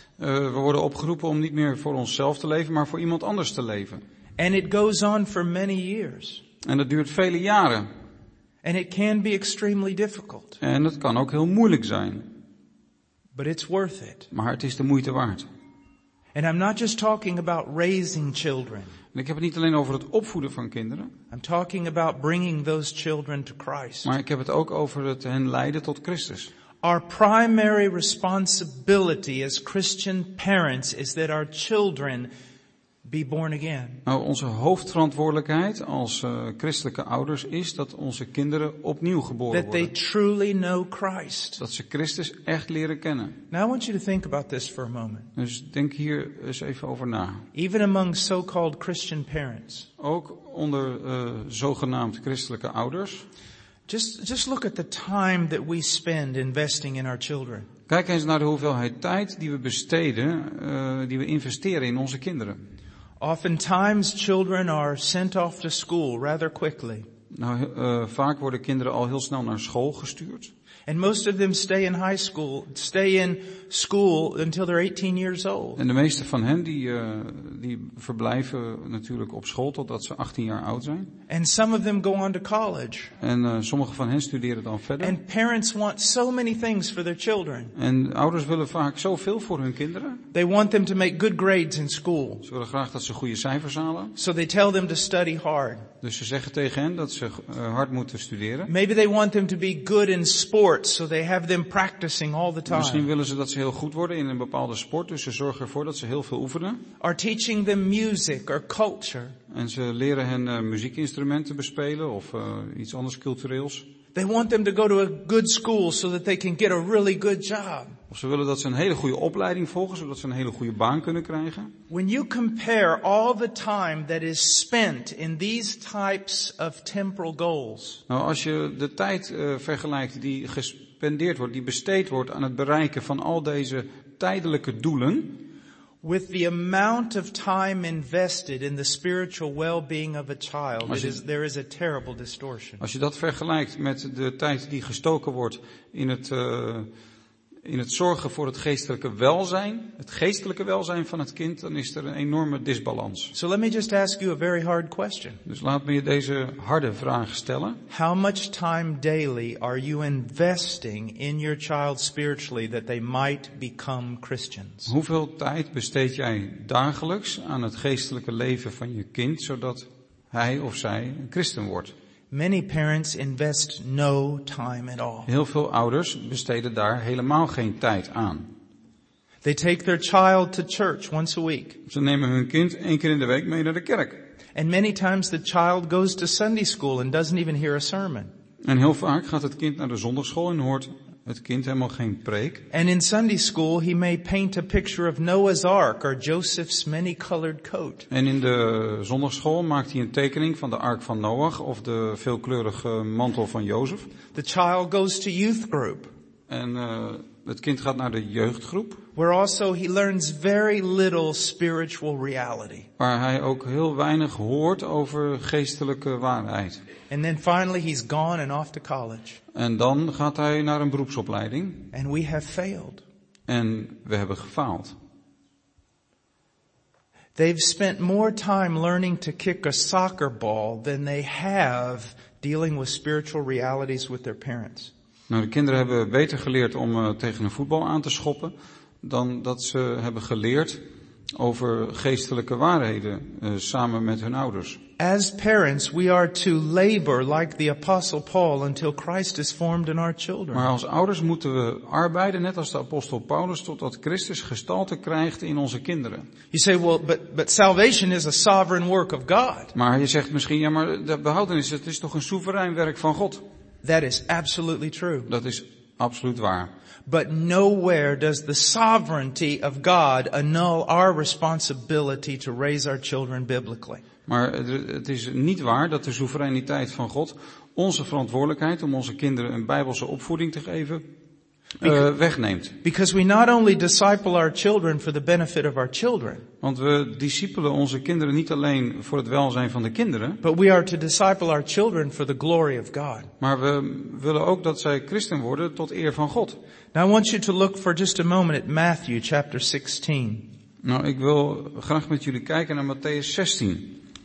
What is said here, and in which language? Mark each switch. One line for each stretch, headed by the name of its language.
Dutch: We worden opgeroepen om niet meer voor onszelf te leven, maar voor iemand anders te leven.
English: And it goes on for many years.
Dutch: En dat duurt vele jaren.
English: And it can be extremely difficult.
Dutch: En het kan ook heel moeilijk zijn.
English: But it's worth it.
Dutch: Maar het is de moeite waard.
English: And I'm not just talking about raising children.
Dutch: En ik heb het niet alleen over het opvoeden van kinderen.
English: I'm talking about bringing those children to Christ.
Dutch: Maar ik heb het ook over het hen leiden tot Christus.
English: Our primary responsibility as Christian parents is that our children be born again.
Dutch: Nou, onze hoofdverantwoordelijkheid als christelijke ouders is dat onze kinderen opnieuw geboren worden.
English: That they truly know Christ.
Dutch: Dat ze Christus echt leren kennen.
English: Now I want you to think about this for a moment.
Dutch: Dus denk hier eens even over na.
English: Even among so-called Christian parents.
Dutch: Ook onder zogenaamd christelijke ouders.
English: Just look at the time that we spend investing in our children.
Dutch: Kijk eens naar de hoeveelheid tijd die we besteden, die we investeren in onze kinderen.
English: Oftentimes children are sent off to school rather quickly.
Dutch: Nou, vaak worden kinderen al heel snel naar school gestuurd.
English: And most of them stay in high school, stay in school until they're 18 years old.
Dutch: En de meeste van hen die verblijven natuurlijk op school totdat ze 18 jaar oud zijn.
English: And some of them go on to college.
Dutch: En sommige van hen studeren dan verder.
English: And parents want so many things for their children.
Dutch: En ouders willen vaak zoveel voor hun kinderen.
English: They want them to make good grades in school.
Dutch: Ze willen graag dat ze goede cijfers halen.
English: So they tell them to study hard.
Dutch: Dus ze zeggen tegen hen dat ze hard moeten studeren.
English: Maybe they want them to be good in sports, so they have them practicing all the time.
Dutch: Misschien willen ze dat ze heel goed worden in een bepaalde sport, dus ze zorgen ervoor dat ze heel veel oefenen.
English: Or teaching them music or culture.
Dutch: En ze leren hen muziekinstrumenten bespelen of iets anders cultureels.
English: They want them to go to a good school so that they can get a really good job.
Dutch: Of ze willen dat ze een hele goede opleiding volgen, zodat ze een hele goede baan kunnen krijgen.
English: When you compare all the time that is spent in these types of temporal goals.
Dutch: Nou, als je de tijd vergelijkt die gespendeerd wordt, die besteed wordt aan het bereiken van al deze tijdelijke doelen.
English: With the amount of time invested in the spiritual well-being of a child, there is a terrible distortion.
Dutch: Als je dat vergelijkt met de tijd die gestoken wordt in het zorgen voor het geestelijke welzijn van het kind, dan is er een enorme disbalans.
English: So let me just ask you a very hard question.
Dutch: Dus laat me je deze harde vraag stellen.
English: How much time daily are you investing in your child spiritually that they might become Christians?
Dutch: Hoeveel tijd besteed jij dagelijks aan het geestelijke leven van je kind zodat hij of zij een christen wordt?
English: Many parents invest no time at all.
Dutch: Heel veel ouders besteden daar helemaal geen tijd aan.
English: They take their child to church once a week.
Dutch: Ze nemen hun kind één keer in de week mee naar de kerk.
English: And many times the child goes to Sunday school and doesn't even hear a sermon.
Dutch: En heel vaak gaat het kind naar de zondagschool en hoort het kind helemaal geen preek.
English: And in Sunday school he may paint a picture of Noah's Ark or Joseph's many-colored coat.
Dutch: En in de zondagschool maakt hij een tekening van de ark van Noach of de veelkleurige mantel van Jozef.
English: The child goes to youth group.
Dutch: En het kind gaat naar de jeugdgroep.
English: Where also he learns very little spiritual reality.
Dutch: Waar hij ook heel weinig hoort over geestelijke waarheid.
English: And then finally he's gone and off to college.
Dutch: En dan gaat hij naar een beroepsopleiding.
English: And we have failed.
Dutch: En we hebben gefaald.
English: They've spent more time learning to kick a soccer ball than they have dealing with spiritual realities with their parents.
Dutch: Nou, de kinderen hebben beter geleerd om tegen een voetbal aan te schoppen dan dat ze hebben geleerd over geestelijke waarheden samen met hun ouders.
English: As parents, we are to labor like the apostle Paul until Christ is formed in our children.
Dutch: Maar als ouders moeten we arbeiden net als de apostel Paulus totdat Christus gestalte krijgt in onze kinderen.
English: You say, well, but salvation is a sovereign work of God.
Dutch: Maar je zegt misschien, ja, maar de behoudenis, het is toch een soeverein werk van God.
English: That is absolutely true.
Dutch: Dat is absoluut waar.
English: But nowhere does the sovereignty of God annul our responsibility to raise our children biblically.
Dutch: Maar het is niet waar dat de soevereiniteit van God onze verantwoordelijkheid om onze kinderen een bijbelse opvoeding te geven wegneemt.
English: Because we not only disciple our children for the benefit of our children.
Dutch: Want we discipelen onze kinderen niet alleen voor het welzijn van de kinderen.
English: But we are to disciple our children for the glory of God.
Dutch: Maar we willen ook dat zij christen worden tot eer van God.
English: Now I want you to look for just a moment at Matthew chapter 16.
Dutch: Nou, ik wil graag met jullie kijken naar Matthäus 16.